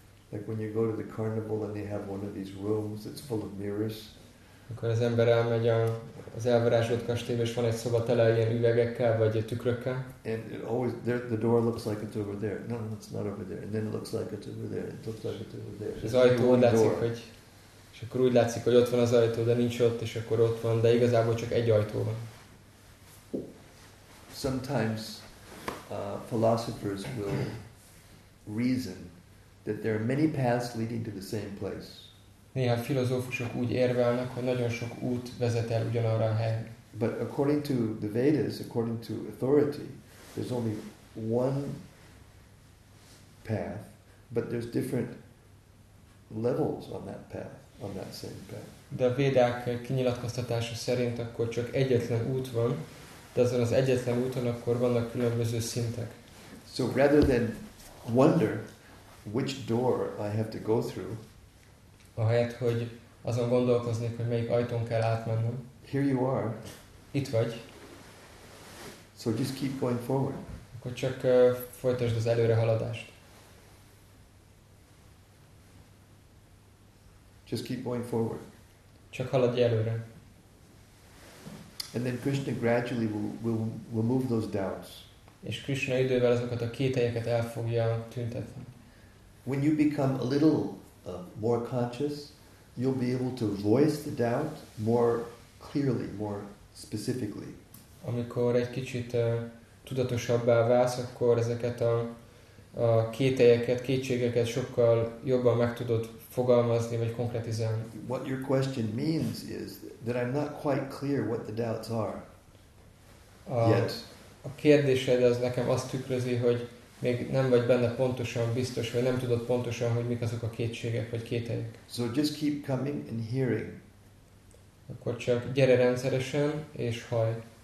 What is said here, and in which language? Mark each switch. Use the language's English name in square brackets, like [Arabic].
[English] Like when you go to the carnival and they have one of these rooms that's full of mirrors. [Hungarian] Akkor az ember elmegy az elvarázsolt kastélyba, és van egy szoba tele ilyen üvegekkel vagy tükrökkel. [English] And it always there, the door looks like it's over there. No, it's not over there. And then it looks like it's over there. It looks like it's over there. [Hungarian] Az ajtó látszik, hogy és akkor úgy látszik, hogy ott van az ajtó, de nincs ott, és akkor ott van, de igazából csak egy ajtó van. [English] Sometimes philosophers will reason that there are many paths leading to the same place. [Hungarian] Néha filozófusok úgy érvelnek, hogy nagyon sok út vezet el ugyanarra a helyre. [English] But according to the Vedas, according to authority, there's only one path, but there's different levels on that path, on that same path. [Hungarian] De a Védák kinyilatkoztatása szerint akkor csak egyetlen út van, de azon az egyetlen úton akkor vannak különböző szintek. [English] So rather than wonder which door I have to go through, [Hungarian] ahelyett, hogy azon gondolkoznék, hogy melyik ajtón kell átmennem. [English] Here you are. [Hungarian] Itt vagy. [English] So just keep going forward. [Hungarian] Akkor csak folytasd az előre haladást. [English] Just keep going forward. [Hungarian] Csak haladj előre. [English] And then Krishna gradually will remove those doubts. [Hungarian] És Krishna idővel azokat a kételyeket el fogja tüntetni. [English] When you become a little more conscious, you'll be able to voice the doubt more clearly, more specifically. [Hungarian] Amikor egy kicsit tudatosabbá válsz, akkor ezeket a kételyeket, kétségeket sokkal jobban meg tudod fogalmazni vagy konkretizálni. [English] What your question means is that I'm not quite clear what the doubts are. Yet. [Hungarian] A kérdésed az nekem azt tükrözi, hogy még nem vagy benne pontosan biztos, vagy nem tudod pontosan, hogy mik azok a kétségek vagy kételyek. [English] So just keep coming and hearing. [Hungarian] Akkor csak gyere rendszeresen és hallj.